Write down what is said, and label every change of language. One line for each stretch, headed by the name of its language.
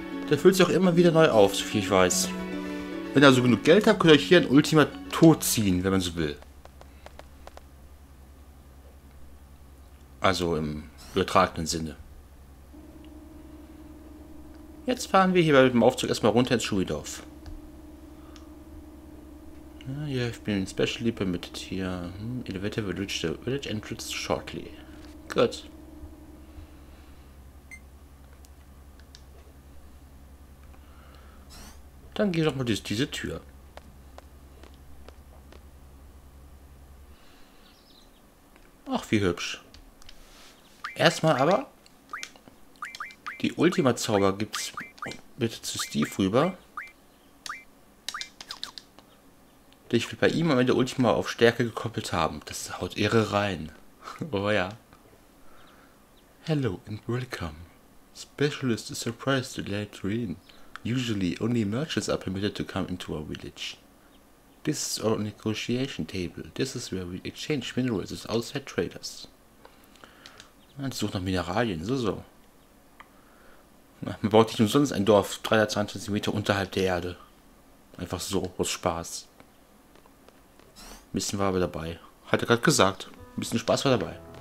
German: Der füllt sich auch immer wieder neu auf, so viel ich weiß. Wenn ihr also genug Geld habt, könnt ihr euch hier ein Ultima totziehen, wenn man so will. Also im übertragenen Sinne. Jetzt fahren wir hier mit dem Aufzug erstmal runter ins Schumidorf. Ja, hier, ich bin
English: specially permitted
German: hier.
English: Elevator will reach the village entrance shortly.
German: Gut. Dann gehe ich doch mal durch diese Tür. Ach, wie hübsch. Erstmal aber. Die Ultima-Zauber gibt's. Bitte zu Steve rüber. Ich will bei ihm am Ende Ultima auf Stärke gekoppelt haben. Das haut irre rein. Oh ja.
English: Hello and welcome. Specialist is surprised to let you in. Usually only merchants are permitted to come into our village. This is our negotiation table. This is where we exchange minerals with outside traders.
German: Man sucht nach Mineralien. So. Man baut nicht umsonst ein Dorf 322 Meter unterhalb der Erde. Einfach so, aus Spaß. Ein bisschen war aber dabei. Hat er gerade gesagt. Ein bisschen Spaß war dabei.